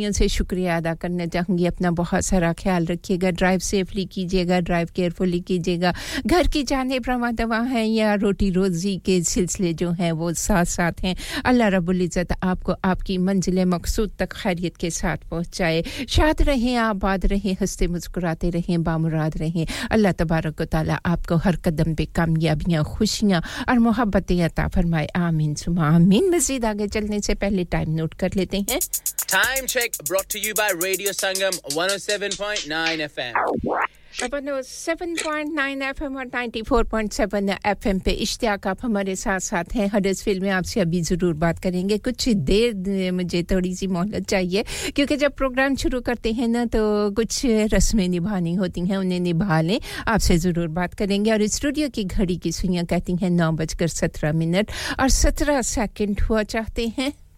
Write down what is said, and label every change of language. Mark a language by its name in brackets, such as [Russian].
[Urdu] بھائیوں سے شکریہ ادا کرنا چاہوں گی اپنا بہت سارا خیال رکھیے گا ڈرائیو سیفلی کیجئے گا ڈرائیو کیئرفلی کیجئے گا گھر کی جانب رواں دواں ہیں یا روٹی روزی کے سلسلے جو ہیں وہ ساتھ ساتھ ہیں اللہ رب العزت آپ کو آپ کی منزل مقصود تک خیریت کے ساتھ پہنچائے شاد رہیں آباد رہیں ہنستے مسکراتے رہیں بامراد رہیں اللہ تبارک و تعالی آپ کو ہر قدم پہ کامیابیاں خوشیاں اور محبتیں عطا فرمائے آمین ثم آمین مزید آگے چلنے سے پہلے ٹائم نوٹ کر لیتے ہیں [English] Time check brought to you by Radio Sangam 107.9 FM. [Urdu] اپنا 7.9 ایف ایم اور 94.7 ایف ایم پہ اشتیاق آپ ہمارے ساتھ ساتھ ہیں ہڈس فیلڈ میں آپ سے ابھی ضرور بات کریں گے کچھ دیر مجھے تھوڑی سی مہلت چاہیے کیونکہ جب پروگرام شروع کرتے ہیں نا تو کچھ رسمیں نبھانی ہوتی ہیں انہیں نبھا لیں آپ سے ضرور بات کریں گے اور اسٹوڈیو کی گھڑی کی سوئیاں کہتی ہیں 9:17 اور 17 سیکنڈ ہوا چاہتے ہیں